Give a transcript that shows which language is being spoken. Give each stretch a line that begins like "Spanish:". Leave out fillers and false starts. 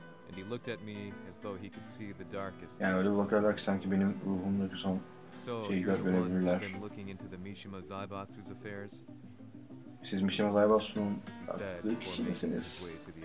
English: And he looked at me as though he could see the darkest.
Turkish: Yani öyle bakarlar ki sanki benim ruhumdaki son şeyi görebilirler.
English: Looking into the Mishima Zaibatsu's affairs.
Turkish: Siz Mishima Zaibatsu'nun kişisiniz.